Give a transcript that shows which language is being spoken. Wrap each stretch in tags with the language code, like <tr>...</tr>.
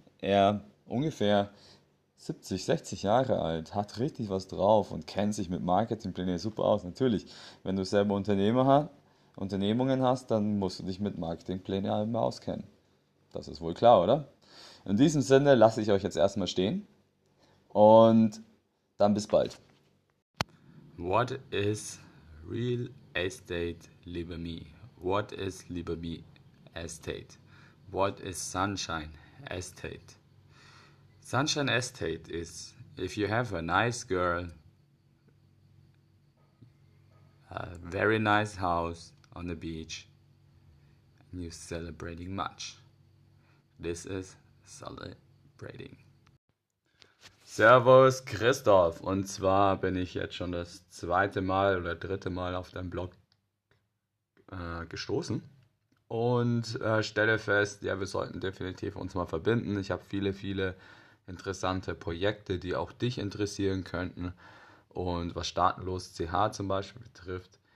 <de>Er ungefähr 70, 60 Jahre alt, hat richtig was drauf und kennt sich mit Marketingplänen super aus. Natürlich, wenn du selber Unternehmungen hast, dann musst du dich mit Marketingplänen immer auskennen. Das ist wohl klar, oder? In diesem Sinne lasse ich euch jetzt erstmal stehen und dann bis bald.</de> <en>What is real estate, liebe me? What is liebe me estate? What is sunshine estate? Sunshine estate is if you have a nice girl, a very nice house on the beach, and you're celebrating much. This is celebrating.</en> <de>Servus Christoph, und zwar bin ich jetzt schon das zweite Mal oder dritte Mal auf deinem Blog gestoßen und stelle fest, ja, wir sollten definitiv uns mal verbinden. Ich habe viele, viele interessante Projekte, die auch dich interessieren könnten und was Staatenlos.ch zum Beispiel betrifft.</de>